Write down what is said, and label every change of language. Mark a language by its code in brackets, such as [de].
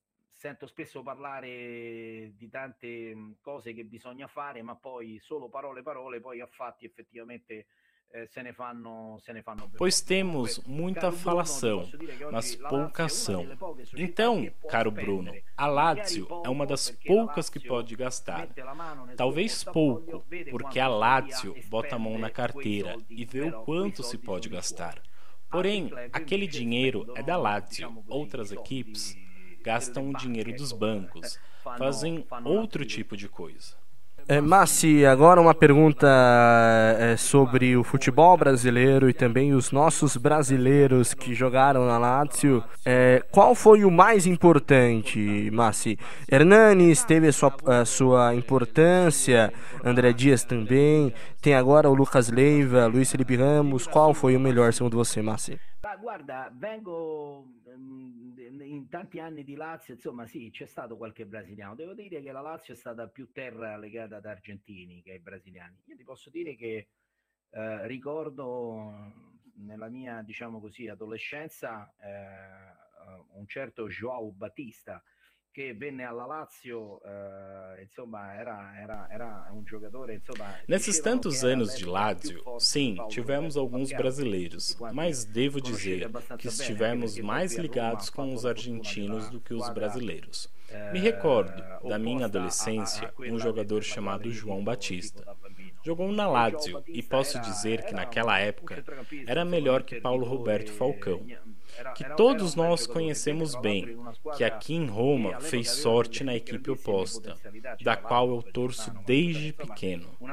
[it] Sento spesso parlare di tante cose che bisogna fare, ma poi solo parole, poi a fatti effettivamente se ne fanno. [pt] Pois temos muita falação, mas pouca ação. Então, caro Bruno, a Lazio é uma das poucas que pode gastar. Talvez pouco, porque a Lazio bota a mão na carteira e vê o quanto se pode gastar. Porém, aquele dinheiro é da Lazio. Outras equipes gastam o dinheiro dos bancos, fazem outro tipo de coisa. Massi, agora uma pergunta sobre o futebol brasileiro e também os nossos brasileiros que jogaram na Lazio. Qual foi o mais importante, Massi? Hernanes teve a sua importância, André Dias também, tem agora o Lucas Leiva, Luiz Felipe Ramos. Qual foi o melhor, segundo você, Massi? [it] Guarda, vengo in tanti anni di Lazio, insomma sì, c'è stato qualche brasiliano. Devo dire che la Lazio è stata più terra legata ad argentini che ai brasiliani. Io ti posso dire che ricordo nella mia, diciamo così, adolescenza un certo João Batista che venne alla Lazio, insomma, era un giocatore, insomma... [pt] Nesses tantos anos [it] di [pt] Lazio, sim, tivemos alguns brasileiros, mas devo dizer que estivemos mais ligados com os argentinos do que os brasileiros. Me recordo, da minha adolescência, um jogador chamado João Batista. Jogou na Lazio e posso dizer que naquela época era melhor que Paulo Roberto Falcão, que todos nós conhecemos bem, que aqui em Roma fez sorte na equipe oposta, da qual eu torço desde pequeno.